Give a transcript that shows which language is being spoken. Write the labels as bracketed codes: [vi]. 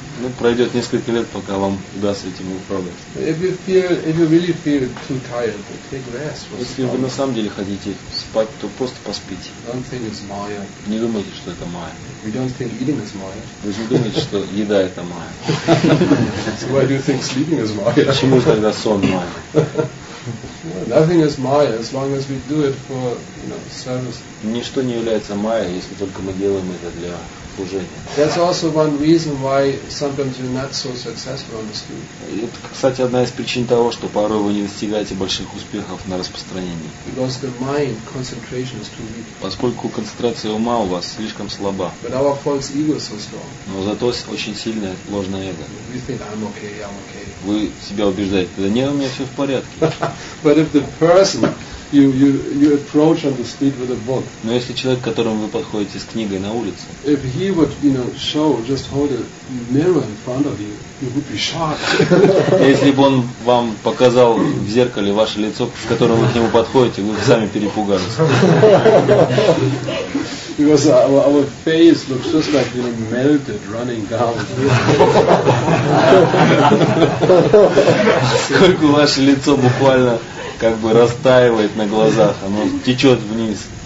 [ru] Ну, пройдет несколько лет, пока вам удастся этим управлять. Если вы на самом деле хотите спать, то просто поспите. Не думайте, что это майя. Вы же не думаете, что еда – это майя. [en] Why do you think sleeping is майя? [ru] Почему тогда сон – майя? [en] Nothing is майя, as long as we do it for, you know, service. [ru] Ничто не является майя, если только мы делаем это для... [en] That's also one reason why sometimes you're not so successful on the street. [ru] Это, кстати, одна из причин того, что порой вы не достигаете больших успехов на распространении. [en] Because the mind concentration is too weak. [ru] Поскольку концентрация ума у вас слишком слаба. [en] But our false ego is so strong. [ru] Но зато очень сильное ложное эго. [en] You think I'm okay, I'm okay. [ru] Вы себя убеждаете: да нет, у меня все в порядке. [en] But if the person you approach on the street with a book. [ru] Но если человек, к которому вы подходите с книгой на улице, [en] if he would, you know, show, just hold a mirror in front of you, you would be shocked. [ru] Если бы он вам показал в зеркале ваше лицо, с которым вы к нему подходите, вы бы сами перепугались. [en] Because our face looks just like, you know, melted, running down. [ru] Сколько ваше лицо буквально как бы растаивает на глазах, оно течет вниз.